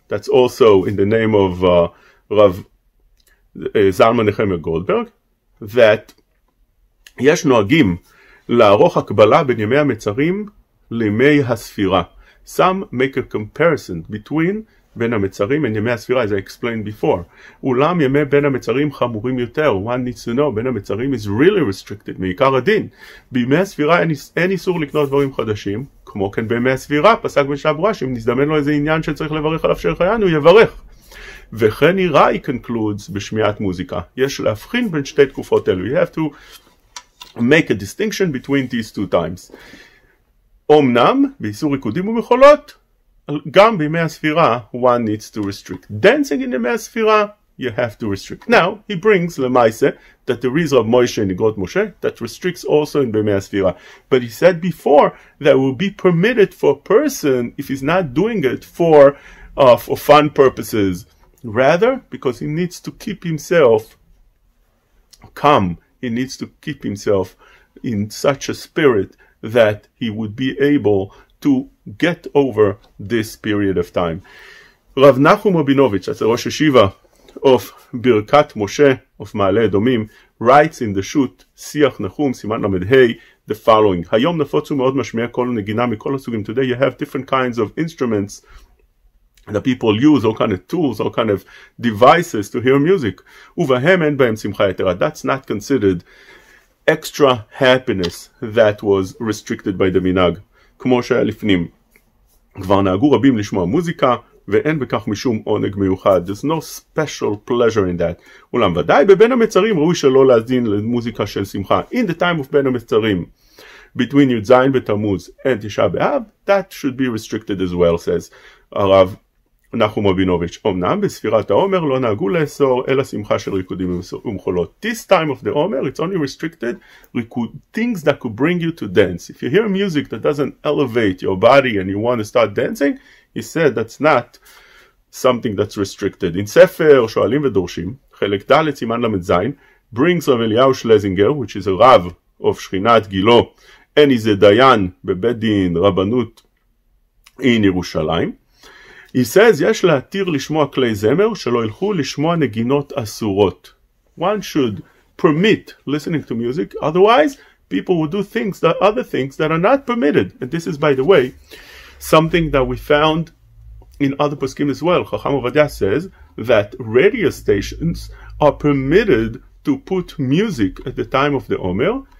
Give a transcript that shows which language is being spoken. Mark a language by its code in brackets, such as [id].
[en] That's also in the name of Rav Zalman Nechemia Goldberg, that [he] יש נוהגים לערוך הקבלה בין ימי המצרים לימי הספירה. [en] Some make a comparison between בין המצרים and ימי הספירה, as I explained before. [he] אולם ימי בין המצרים חמורים יותר. [en] One needs to know, בין המצרים is really restricted, [he] מעיקר הדין. בימי הספירה אין איסור לקנות דברים חדשים, כמו כן בימי הספירה, פסק בשעברה, שאם נזדמן לו איזה עניין שצריך לברך עליו שרחיין, הוא יברך. וכן ראי [en] concludes [he] בשמיעת מוזיקה. יש להבחין בין שתי תקופות אלו. [en] You have to make a distinction between these two times. [he] אמנם, באיסור ריקודים ומחולות, גם בימי הספירה, [en] one needs to restrict. Dancing in ימי הספירה, you have to restrict. Now, he brings למעשה, that the reason of Moshe in Igrot Moshe, that restricts also in בימי הספירה. But he said before, that will be permitted for a person, if he's not doing it for fun purposes. Rather, because he needs to keep himself calm. He needs to keep himself in such a spirit that he would be able to get over this period of time. Rav Nachum Rabinovich, that's the Rosh Hashiva of Birkat Moshe of Ma'ale Edomim, writes in the shoot, Siach Nachum, Siman Lamed Hei, the following. [he] Hayom nafotsu meod mashmiya kol negina mikol hasugim. [en] Today you have different kinds of instruments that people use, all kind of tools, all kind of devices to hear music. [he] Uvahem en bahem simcha yetera. [en] That's not considered extra happiness that was restricted by the minag. [he] כמו שהיה לפנים. כבר נהגו רבים לשמוע מוזיקה, ואין בכך משום עונג מיוחד. [en] There's no special pleasure in that. [he] אולם ודאי בבין המצרים ראוי שלא להזין למוזיקה של שמחה. [en] In the time of בין המצרים, between י"ז בתמוז and תשעה באב, that should be restricted as well, says הרב נחום רבינוביץ'. [he] אמנם בספירת העומר לא נהגו לאסור אלא שמחה של ריקודים ומחולות. [en] This time of the Omer, it's only restricted things that could bring you to dance. If you hear music that doesn't elevate your body and you want to start dancing, he said that's not something that's restricted. In Sefer שואלים ודורשים, חלק ד' סימן ל"ז, brings רב אליהו שלזינגר, which is a רב of שכינת גילו, and he's a דיין בבית דין רבנות in ירושלים. He says, [he] יש להתיר לשמוע כלי זמר שלא ילכו לשמוע נגינות אסורות. [en] One should permit listening to music, otherwise people will do things, that other things that are not permitted. And this is, by the way, something that we found in other poskim as well. Chacham Ovadia says that radio stations are permitted to put music at the time of the Omer.